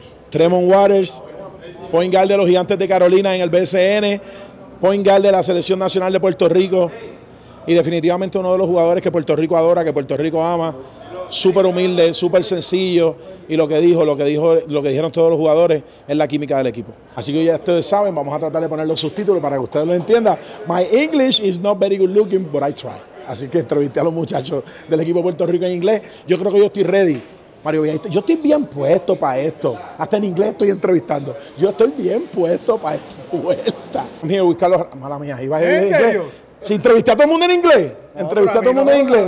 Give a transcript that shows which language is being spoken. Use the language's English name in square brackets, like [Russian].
[Spanish] Tremont Waters, point guard de los Gigantes de Carolina en el BCN, point guard de la Selección Nacional de Puerto Rico y definitivamente uno de los jugadores que Puerto Rico adora, que Puerto Rico ama. Súper humilde, súper sencillo y lo que dijeron todos los jugadores es la química del equipo. Así que ya ustedes saben, vamos a tratar de poner los subtítulos para que ustedes lo entiendan. [English] My English is not very good looking, but I try. [Spanish] Así que entrevisté a los muchachos del equipo de Puerto Rico en inglés. Yo creo que yo estoy ready. Mario, yo estoy bien puesto para esto. Hasta en inglés estoy entrevistando. Yo estoy bien puesto para esta vuelta. Mío, Carlos, mala mía, iba a ir en inglés. Sí, entrevisté a todo el mundo en inglés.